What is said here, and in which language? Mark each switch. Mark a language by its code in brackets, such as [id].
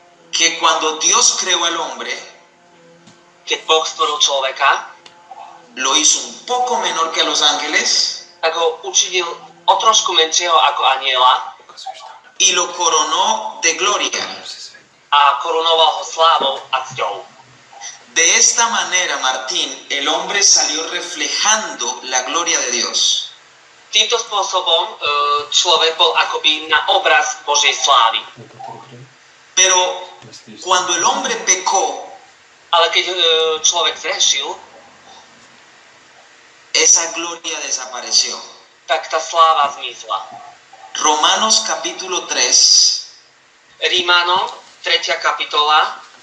[es] que cuando Dios creó al hombre, [sk] keď Boh stvoril človeka, [es] lo hizo un poco menor que a los ángeles, [sk] tak ho učinil o trošku menšieho ako aniela, [es] y lo coronó de gloria. [sk] A korunoval ho slávou a cťou. [es] De esta manera, Martín, el hombre salió reflejando la gloria de Dios. [sk] Týmto spôsobom človek bol akoby na obraz Božej slávy. [es] Pero cuando el hombre pecó, [sk] ale keď človek zrešil, [es] esa gloria desapareció. [sk] Tak tá sláva zmizla. [es] Romanos capítulo 3, [sk] Rímano, 3. kapitola,